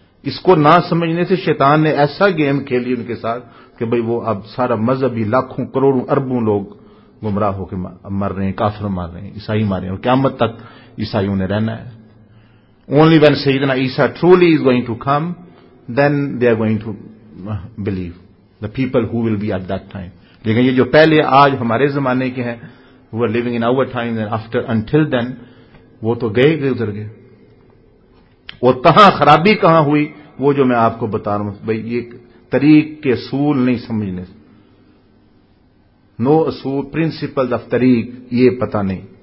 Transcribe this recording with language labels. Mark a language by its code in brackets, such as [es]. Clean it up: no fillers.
[ur] اس کو نہ سمجھنے سے شیطان نے ایسا گیم کھیلی ان کے ساتھ کہ بھئی وہ اب سارا مذہبی لاکھوں کروڑوں اربوں لوگ گمراہ ہو کے مر رہے ہیں، کافر مار رہے ہیں، عیسائی مار رہے ہیں، اور قیامت تک عیسائیوں نے رہنا ہے. [en] Only when سیدنا عیسیٰ truly is going to come then they are going to believe the people who will be at that time. [ur] لیکن یہ جو پہلے آج ہمارے زمانے کے ہیں، [en] who are living in our time and after until then, [ur] وہ تو گئے گئے ادھر گئے. اور کہاں خرابی کہاں ہوئی وہ جو میں آپ کو بتا رہا ہوں بھائی، یہ طریق کے اصول نہیں سمجھنے، نو اصول پرنسپل آف طریق، یہ پتا نہیں.